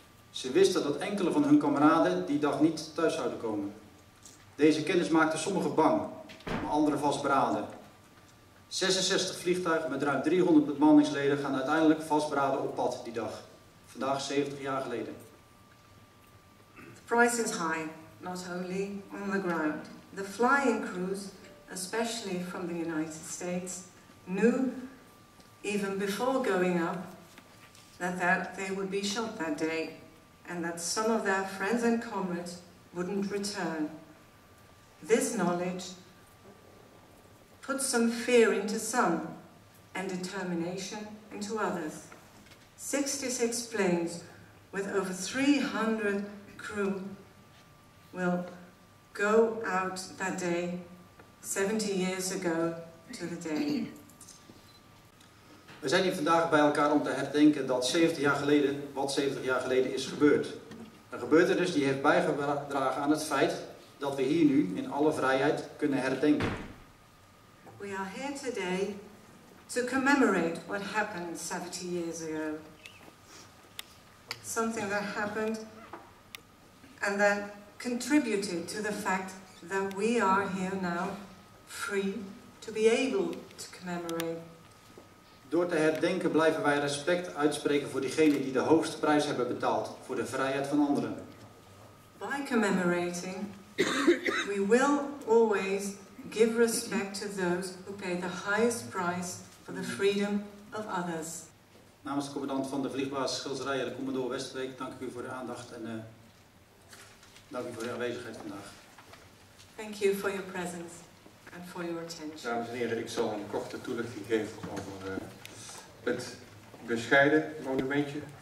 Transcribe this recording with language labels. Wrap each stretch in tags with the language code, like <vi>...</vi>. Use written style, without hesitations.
<nl>Ze wisten dat enkele van hun kameraden die dag niet thuis zouden komen. Deze kennis maakte sommigen bang, maar anderen vastberaden. 66 vliegtuigen met ruim 300 bemanningsleden gaan uiteindelijk vastberaden op pad die dag. Vandaag 70 jaar geleden.</nl> <en>The price is high, not only on the ground. The flying crews, especially from the United States, knew even before going up that they would be shot that day and that some of their friends and comrades wouldn't return. This knowledge put some fear into some and determination into others. 66 planes with over 300 crew will go out that day, 70 years ago to the day.</en> <nl>We zijn hier vandaag bij elkaar om te herdenken dat 70 jaar geleden, wat 70 jaar geleden is gebeurd. Een gebeurtenis die heeft bijgedragen aan het feit dat we hier nu in alle vrijheid kunnen herdenken.</nl> <en>We are here today to commemorate what happened 70 years ago. Something that happened and that contributed to the fact that we are here now free to be able to commemorate.</en> <nl>Door te herdenken blijven wij respect uitspreken voor diegenen die de hoogste prijs hebben betaald voor de vrijheid van anderen.</nl> <en>By commemorating, we will always give respect to those who pay the highest price for the freedom of others.</en> <nl>Namens de commandant van de vliegbasis Schilderijen, de commandant Westerbeek, dank ik u voor de aandacht en dank u voor uw aanwezigheid vandaag.</nl> <en>Thank you for your presence. and for your attention.</en> <nl>Dames en heren, ik zal een korte toelichting geven over het bescheiden monumentje.</nl>